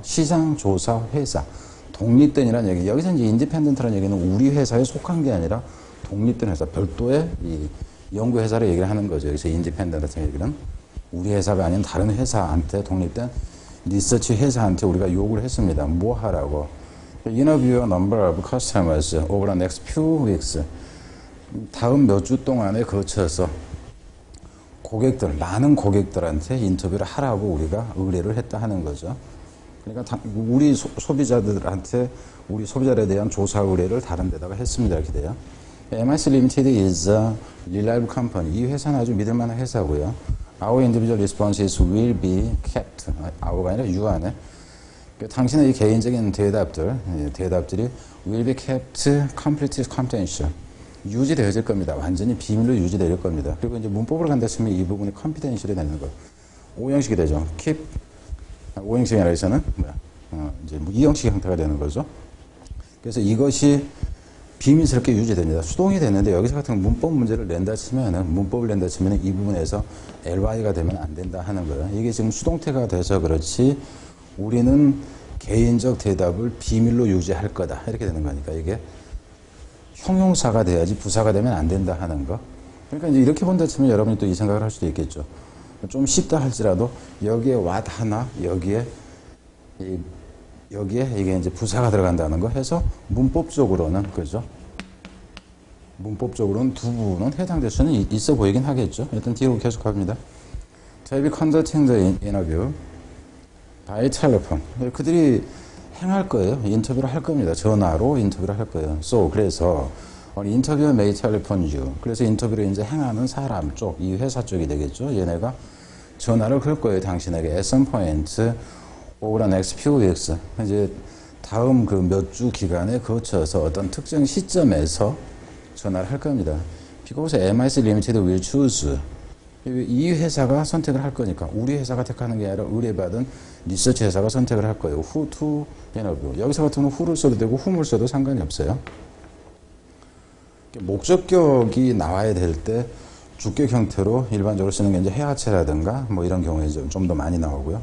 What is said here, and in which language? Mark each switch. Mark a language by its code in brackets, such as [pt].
[ko] 시장 조사 회사. 독립된이라는 얘기. 여기서 이제 인디펜던트라는 얘기는 우리 회사에 속한 게 아니라 독립된 회사, 별도의 이 연구 회사를 얘기를 하는 거죠. 여기서 인디펜던트라는 얘기는 우리 회사가 아닌 다른 회사한테 독립된 리서치 회사한테 우리가 요구를 했습니다. 뭐 하라고? [en] Interview a number of customers over the next few weeks. [ko] 다음 몇주 동안에 거쳐서 고객들, 많은 고객들한테 인터뷰를 하라고 우리가 의뢰를 했다 하는 거죠. 그러니까 우리 소비자들한테 우리 소비자들에 대한 조사 의뢰를 다른 데다가 했습니다. 이렇게 돼요. [en] MIC Limited is a reliable company. [ko] 이 회사는 아주 믿을 만한 회사고요. [en] Our individual responses will be kept. [ko] Our가 아니라 you 안에. 당신의 이 개인적인 대답들이 [en] will be kept completely confidential. [ko] 유지되어질 겁니다. 완전히 비밀로 유지될 겁니다. 그리고 이제 문법을 간다 치면 [en] 이 부분이 컴피덴셜이 되는 거. [ko] 5형식이 되죠. keep, 5형식이 아니라서는, 뭐야, 이제 뭐 2형식 형태가 되는 거죠. 그래서 이것이 비밀스럽게 유지됩니다. 수동이 됐는데 여기서 같은 문법 문제를 낸다 치면은, 문법을 낸다 치면은 이 부분에서 ly가 되면 안 된다 하는 거예요. 이게 지금 수동태가 돼서 그렇지 우리는 개인적 대답을 비밀로 유지할 거다. 이렇게 되는 거니까 이게. 형용사가 돼야지 부사가 되면 안 된다 하는 거. 그러니까 이제 이렇게 본다 치면 여러분이 또이 생각을 할 수도 있겠죠. 좀 쉽다 할지라도 여기에 왓 하나 여기에 이 여기에 이게 이제 부사가 들어간다는 거 해서 문법적으로는 그죠? 문법적으로는 두 부분은 해당될 수는 있어 보이긴 하겠죠. 일단 뒤로 계속 갑니다. [en] To be conducting the interview by telephone. [ko] 그들이 행할 거예요. 인터뷰를 할 겁니다. 전화로 인터뷰를 할 거예요. [en] So, [ko] 그래서, [en] interviewer may telephone you. [ko] 그래서 인터뷰를 이제 행하는 사람 쪽, 이 회사 쪽이 되겠죠. 얘네가 전화를 걸 거예요. 당신에게. [en] At some point over the next few weeks. [ko] 이제 다음 그 몇 주 기간에 거쳐서 어떤 특정 시점에서 전화를 할 겁니다. [en] Because MIS Limited will choose. [ko] 이 회사가 선택을 할 거니까 우리 회사가 택하는 게 아니라 의뢰받은 리서치 회사가 선택을 할 거예요. [en] Who to interview. [ko] 여기서 같은 경우는 who를 써도 되고 whom을 써도 상관이 없어요. 목적격이 나와야 될 때 주격 형태로 일반적으로 쓰는 게 이제 해야체라든가 뭐 이런 경우에 좀 더 많이 나오고요.